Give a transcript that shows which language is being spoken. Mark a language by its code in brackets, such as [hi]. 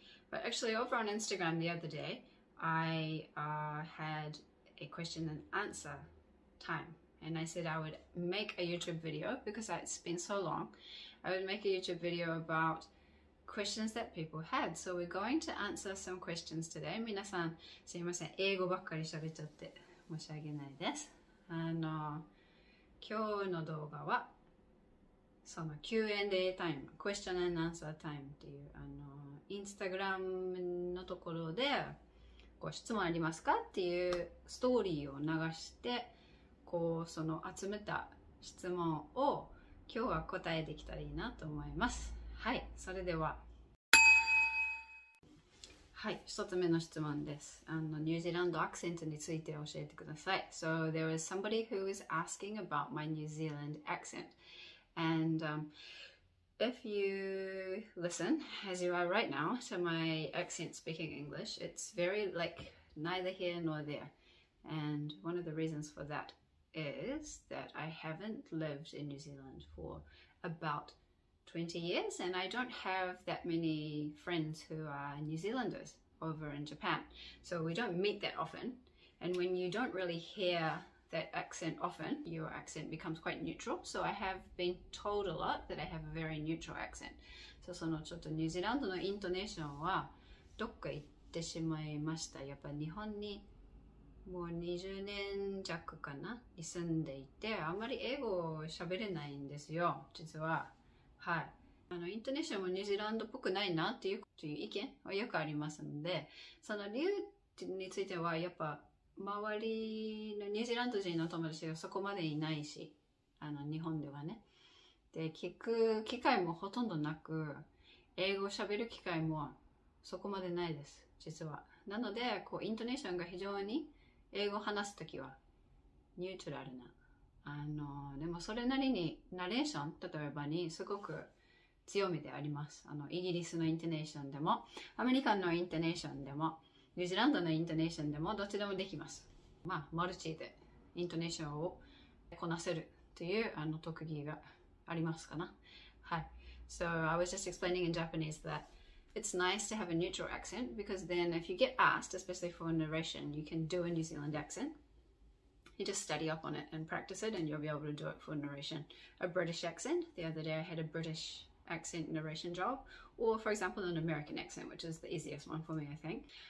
[en] But actually, over on Instagram the other day, I had a question and answer time. And I said I would make a YouTube video, because it's been so long, I would make a YouTube video about questions that people had. So we're going to answer some questions today. [ja] 皆さん、すいません。英語ばっかり喋っちゃって申し訳ないです。今日の動画は、その Q&A タイム、 [en] question and answer time [ja] っていう、インスタグラムのところでご質問ありますかっていうストーリーを流してこうその集めた質問を今日は答えできたらいいなと思います。はい、それでは、はい、一つ目の質問です。ニュージーランドアクセントについて教えてください。 [en] So there was somebody who was asking about my New Zealand accent andIf you listen, as you are right now, to my accent speaking English, it's very, like, neither here nor there. And one of the reasons for that is that I haven't lived in New Zealand for about 20 years, and I don't have that many friends who are New Zealanders over in Japan. So we don't meet that often. And when you don't really hear that accent often, your accent becomes quite neutral. So I have been told a lot that I have a very neutral accent. [ja] So そのちょっとニュージーランドのイントネーションはどっか行ってしまいました。やっぱ日本にもう20年弱かなに住んでいて、あんまり英語を喋れないんですよ、実は。はい。イントネーションもニュージーランドっぽくないなっていう意見はよくありますので、その理由についてはやっぱ周りのニュージーランド人の友達がそこまでいないし、日本ではね。で、聞く機会もほとんどなく、英語喋る機会もそこまでないです、実は。なので、こう、イントネーションが非常に英語話すときは、ニュートラルな。でもそれなりに、ナレーション、例えばに、すごく強みであります。イギリスのイントネーションでも、アメリカのイントネーションでも、ニュージーランドのイントネーションでもどっちでもできます。まあ、マルチでイントネーションをこなせるという特技がありますかな。はい。 [en] So I was just explaining in Japanese that it's nice to have a neutral accent because then if you get asked, especially for a narration, you can do a New Zealand accent. You just study up on it and practice it and you'll be able to do it for a narration. A British accent. The other day I had a British accent narration job. Or for example, an American accent, which is the easiest one for me, I think.